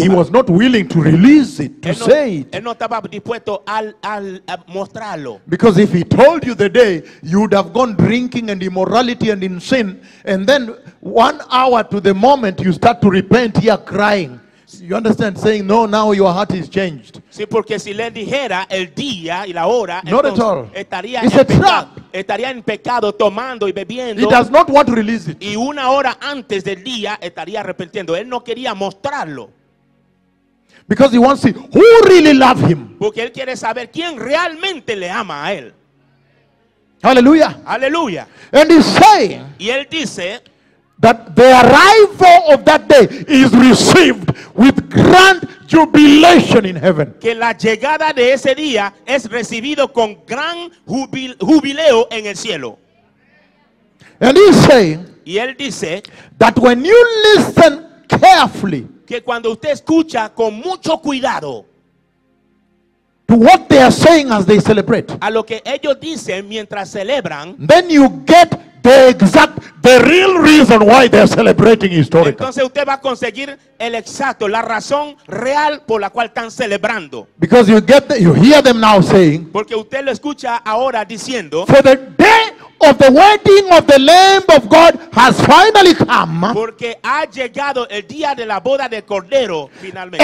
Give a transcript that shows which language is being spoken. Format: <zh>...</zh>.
<en>He was not willing to release it, to say it.</en> <es>Él no estaba dispuesto a mostrarlo.</es> <en>Because if he told you the day, you would have gone drinking and immorality and in sin. And then 1 hour to the moment you start to repent, you are crying. You understand? Saying no, now your heart is changed.</en> <es>Sí, porque si le dijera el día y la hora,</es> <en>not at all.</en> <es>Estaría</es> <en>it's</en> <es>en</es> <en>a trap.</en> <es>Estaría en pecado tomando y bebiendo.</es> <en>He does not want to release it.</en> <es>Y una hora antes del día estaría arrepintiendo. Él no quería mostrarlo.</es> <en>Because he wants to see who really loves him.</en> <es>Porque él quiere saber quién realmente le ama a él.</es> <en>Hallelujah. Hallelujah. And he's saying.</en> <es>Y él dice.</es> <en>That the arrival of that day is received with grand jubilation in heaven.</en> <es>Que la llegada de ese día es recibido con gran jubileo en el cielo.</es> <en>And he's saying.</en> <es>Y él dice.</es> <en>That when you listen carefully.</en> <es>Que cuando usted escucha con mucho cuidado.</es> <en>To what they are saying as they celebrate.</en> <es>A lo que ellos dicen mientras celebran.</es> <en>Then you get the real reason why they're celebrating historically.</en> <es>Entonces usted va a conseguir el exacto, la razón real por la cual están celebrando.</es> <en>Because you get you hear them now saying.</en> <es>Porque usted lo escucha ahora diciendo.</es> <en>For the day of the wedding of the Lamb of God has finally come.</en> <es>Porque ha llegado el día de la boda del Cordero finalmente.</es>